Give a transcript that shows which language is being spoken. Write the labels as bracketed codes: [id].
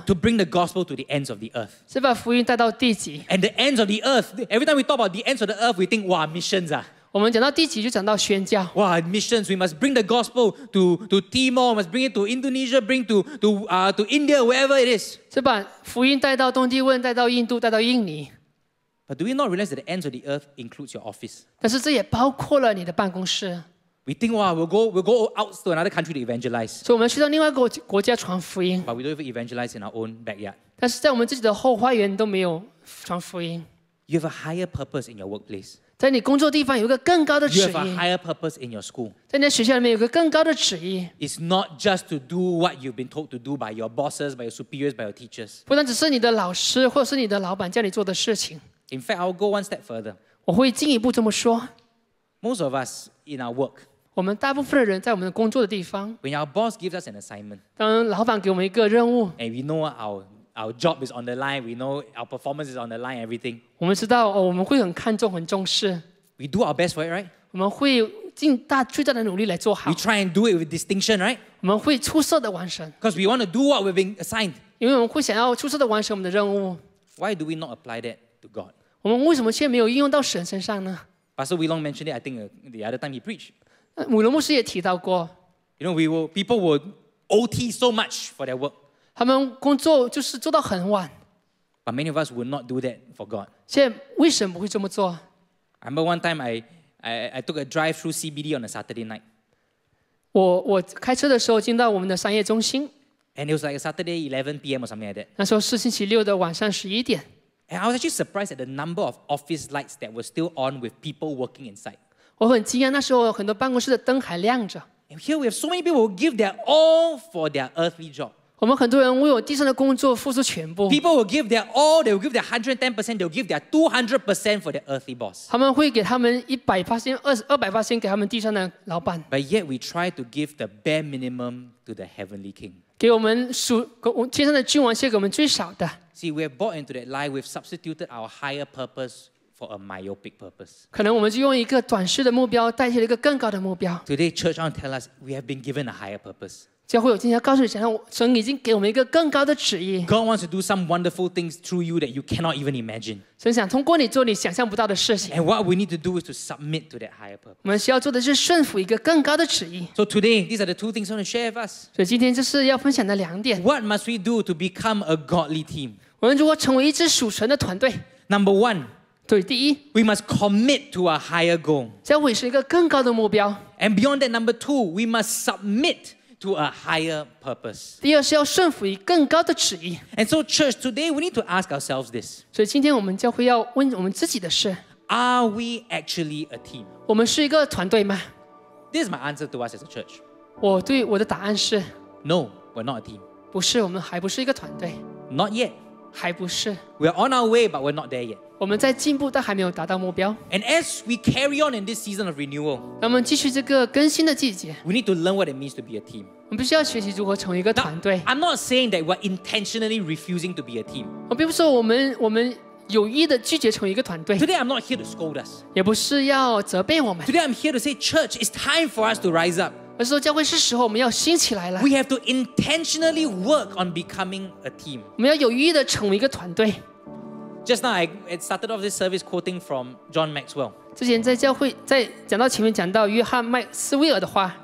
[en] To bring the gospel to the ends of the earth. [zh] 是把福音带到地极。 [en] And the ends of the earth, every time we talk about the ends of the earth, we think, wow, missions ah. [zh] 我们讲到第几就讲到宣教。 [en] 哇、wow, ，missions! We must bring the gospel to Timor, we must bring it to Indonesia, bring to India, wherever it is. [zh] 是把福音带到东帝汶，带到印度，带到印尼。 [en] But do we not realize that the ends of the earth includes your office? [zh] 但是这也包括了你的办公室。 [en] We think, wow, we'll go out to another country to evangelize. [zh] 所以我们去到另外一个国家传福音。 [en] But we don't even evangelize in our own backyard. [zh] 但是在我们自己的后花园都没有传福音。 [en] You have a higher purpose in your workplace. [zh] 在你工作地方有一个更高的旨意。 [en] You have a higher purpose in your school. [zh] 在你的学校里面有一个更高的旨意。 [en] It's not just to do what you've been told to do by your bosses, by your superiors, by your teachers. [zh] 不单只是你的老师或者是你的老板叫你做的事情。 [en] In fact, I'll go one step further. [zh] 我会进一步这么说。 [en] Most of us in our work, [zh] 我们大部分的人在我们的工作的地方。 [en] When our boss gives us an assignment， [zh] 当老板给我们一个任务。 [en] And we know our job is on the line. We know our performance is on the line. Everything。 [zh] 我们知道哦，我们会很看重、很重视。 [en] We do our best for it, right？ [zh] 我们会尽大最大的努力来做好。 [en] We try and do it with distinction, right？ [zh] 我们会出色的完成。 [en] Because we want to do what we've been assigned。 [zh] 因为我们会想要出色的完成我们的任务。 [en] Why do we not apply that to God？ [zh] 我们为什么却没有应用到神身上呢？ [en] Pastor Wilong mentioned it, I think, the other time he preached. [zh] 伟龙牧师也提到过。 [en] You know, people will OT so much for their work. [zh] 他们工作就是做到很晚。 [en] But many of us will not do that for God. [zh] 现在为什么不会这么做？ [en] I remember one time I took a drive through CBD on a Saturday night. [zh] 我开车的时候进到我们的商业中心。 [en] And it was like a Saturday 11 p.m. or something like that. [zh] 那时候是星期六的晚上11点。 [en] And I was actually surprised at the number of office lights that were still on with people working inside. [zh] 我很惊讶，那时候很多办公室的灯还亮着。 [en] And here we have so many people who give their all for their earthly job. [zh] 我们很多人为我地上的工作付出全部。 [en] People will give their all, they will give their 110%, they will give their 200% for their earthly boss. [zh] 他们会给他们 100%, 200% 给他们地上的老板。 [en] But yet we try to give the bare minimum to the heavenly king. [zh] 给我们天上的君王献给我们最少的。 [en] See, we have bought into that lie. We've substituted our higher purpose for a myopic purpose. [zh] 可能我们就用一个短视的目标代替了一个更高的目标。 [en] Today, church want to tell us we have been given a higher purpose. [zh] 教会有今天告诉你，神已经给我们一个更高的旨意。 [en] God wants to do some wonderful things through you that you cannot even imagine. [zh] 神想通过你做你想象不到的事情。 [en] And what we need to do is to submit to that higher purpose. [zh] 我们需要做的是顺服一个更高的旨意。 [en] So today, these are the two things I want to share with us. [zh] 所以今天这是要分享的两点。 [en] What must we do to become a godly team? [zh] 我们如何成为一支属神的团队 [en] ？Number one， [zh] 对，第一 [en] ，we must commit to a higher goal， [zh] 要维持一个更高的目标。 [en] And beyond that， number two， we must submit to a higher purpose。 [zh] 第二是要顺服于更高的旨意。 [en] And so， church， today we need to ask ourselves this。 [zh] 所以今天我们教会要问我们自己的是 [en] ：Are we actually a team？ [zh] 我们是一个团队吗 [en] ？This is my answer to us as a church。 [zh] 我对我的答案是 [en] ：No， we're not a team。 [zh] 不是，我们还不是一个团队。 [en] Not yet。 [zh] 还不是。 [en] We are on our way, but we're not there yet. [zh] 我们在进步，但还没有达到目标。 [en] And as we carry on in this season of renewal, [zh] 我们继续这个更新的季节。 [en] We need to learn what it means to be a team. [zh] 我们必须要学习如何成为一个团队。 [en] Now, I'm not saying that we're intentionally refusing to be a team. [zh] 我并不是说我们有意的拒绝成为一个团队。 [en] Today I'm not here to scold us. [zh] 也不是要责备我们。 [en] Today I'm here to say, church, it's time for us to rise up. [zh] 而是说教会是时候我们要兴起来了。 [en] We have to intentionally work on becoming a team. [zh] 我们要有意的成为一个团队。 [en] Just now I started off this service quoting from John Maxwell. [zh] 之前在教会在讲到前面讲到约翰麦斯威尔的话。